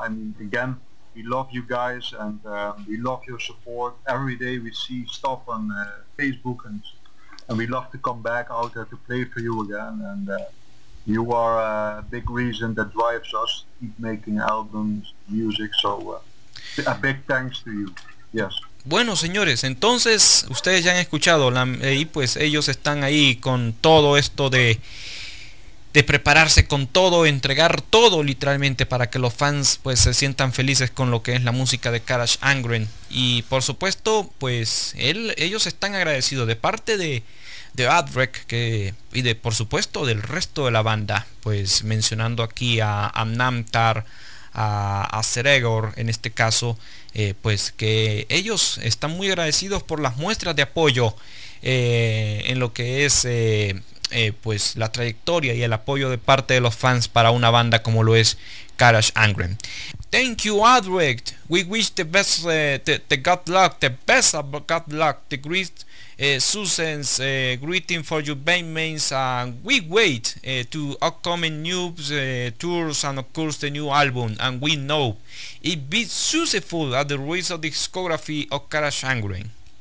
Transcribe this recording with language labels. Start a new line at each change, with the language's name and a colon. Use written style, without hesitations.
English: I mean, again, we love you guys and we love your support. Every day we see stuff on Facebook and we love to come back out there to play for you again. And you are a big reason that drives us to keep making albums, music. So a big thanks to you. Yes.
Spanish: Bueno, señores, entonces ustedes ya han escuchado y pues ellos están ahí con todo esto de prepararse con todo, entregar todo literalmente para que los fans pues se sientan felices con lo que es la música de Carach Angren. Y por supuesto, pues ellos están agradecidos de parte de Adrek y de por supuesto del resto de la banda, pues mencionando aquí a Amnamtar, a Seregor en este caso, pues que ellos están muy agradecidos por las muestras de apoyo en lo que es pues la trayectoria y el apoyo de parte de los fans para una banda como lo es Carach Angren.
English: Thank you, Adrek. We wish the best, the good luck, the best of good luck, the greatest Susan's greeting for your bandmates, and we wait to upcoming news, tours, and of course the new album. And we know it be successful at the release of the discography of Carach Angren.